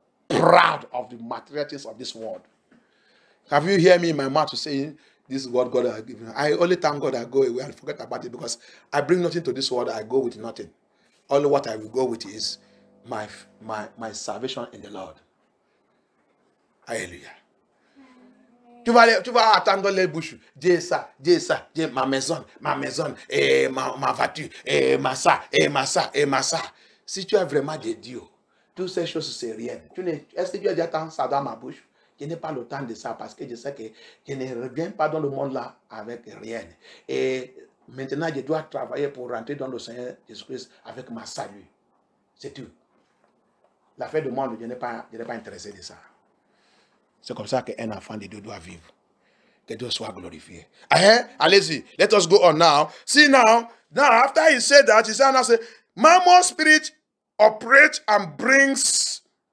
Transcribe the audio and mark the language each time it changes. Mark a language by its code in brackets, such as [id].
[en] Proud of the material things of this world. Have you heard me in my mouth saying, this is what God has given me? I only thank God I go away and forget about it, because I bring nothing to this world, I go with nothing. Only what I will go with is my salvation in the Lord. Hallelujah. [fr] Tu vas aller, tu vas attendre les bouches. Dieu ça, Dieu ma maison, et ma voiture, et ma ça, et ma ça, et ma ça. Si tu es vraiment de Dieu, toutes ces choses, c'est rien. Est-ce que Dieu attend ça dans ma bouche? Je n'ai pas le temps de ça parce que je sais que je ne reviens pas dans le monde là avec rien. Et maintenant, je dois travailler pour rentrer dans le Seigneur Jésus-Christ avec ma salut. C'est tout. L'affaire du monde, je n'ai pas intéressé de ça. C'est comme ça qu'un enfant de Dieu doit vivre. Que Dieu soit glorifié. Allez-y. [en] Let us go on now. See now, after he said that, he said, Mammon spirit operates and brings.